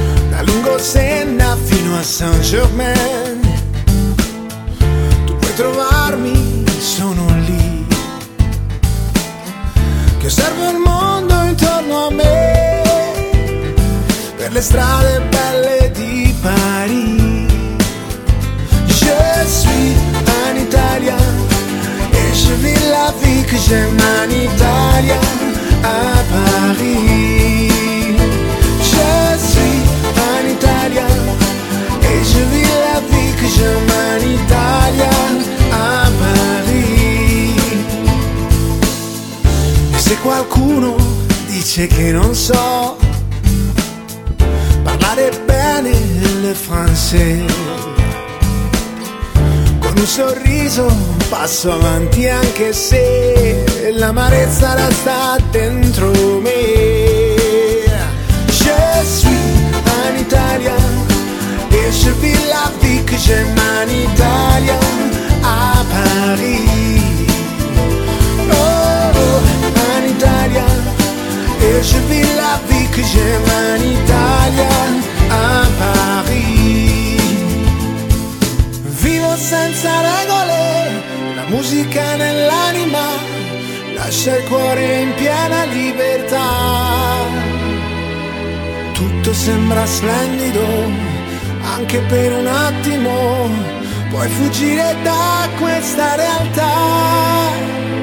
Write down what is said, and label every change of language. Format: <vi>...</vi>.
<it>da Lungosenna fino a Saint-Germain, tu puoi trovarmi, sono lì, che osservo il mondo intorno a me, per le strade belle di Parigi.</it> <fr>Je suis un italien, et je vis la vie que j'aime en Italia, à Paris. Je suis un italien, et je vis la vie que j'aime en Italia, à Paris.</fr> <it>Et se qualcuno dice che non so parlare bene il francese, con un sorriso passo avanti anche se l'amarezza resta dentro me.</it> <fr>Je suis un italien, et je vis la vie que j'aime en Italia, à Paris. Oh, oh, un italien, et je vis la vie que j'aime en Italia, à Paris.</fr> <it>Vivo senza regole, la musica nell'anima, lascia il cuore in piena libertà. Tutto sembra splendido, anche per un attimo, puoi fuggire da questa realtà.</it>